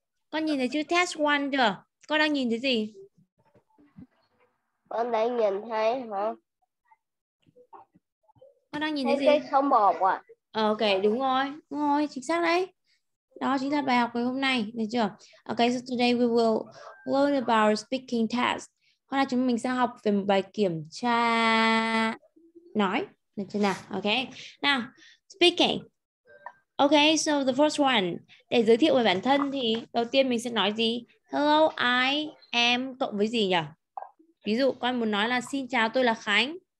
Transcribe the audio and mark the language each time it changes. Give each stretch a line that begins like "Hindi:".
Vietnamese: Con nhìn thấy chữ
English: test one
Vietnamese: chưa? Con đang nhìn thấy gì? Con đang nhìn thấy hả? Con đang nhìn thấy thấy gì? Cái số 1 à? Ok, đúng rồi, chính xác đấy. Đó chính là bài học ngày hôm nay, được chưa?
English: Ok, so today we will learn about speaking test.
Vietnamese: Hôm nay chúng mình sẽ học về một bài kiểm tra nói, được chưa nào?
English: Ok, now, speaking. Okay, so the first one,
Vietnamese: để giới thiệu về bản thân thì đầu tiên mình sẽ nói gì?
English: Hello, I am
Vietnamese: cộng với gì nhỉ? Ví dụ con muốn nói là xin chào, tôi là Khánh.